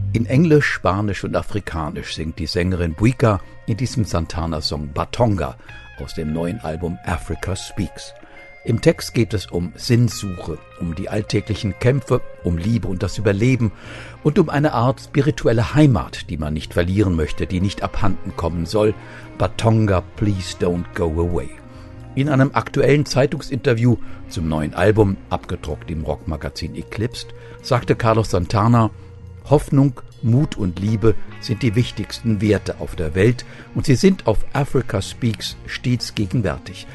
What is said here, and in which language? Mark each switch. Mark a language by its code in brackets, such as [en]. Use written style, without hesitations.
[de] Englisch, Spanisch und Afrikanisch singt die Sängerin Buika in diesem Santana-Song Batonga aus dem neuen Album Africa Speaks. Im Text geht es um Sinnsuche, um die alltäglichen Kämpfe, um Liebe und das Überleben und um eine Art spirituelle Heimat, die man nicht verlieren möchte, die nicht abhanden kommen soll. [en] Batonga, please don't go away. [de] In einem aktuellen Zeitungsinterview zum neuen Album, abgedruckt im Rockmagazin Eclipsed, sagte Carlos Santana: Hoffnung, Mut und Liebe sind die wichtigsten Werte auf der Welt und sie sind auf Africa Speaks stets gegenwärtig.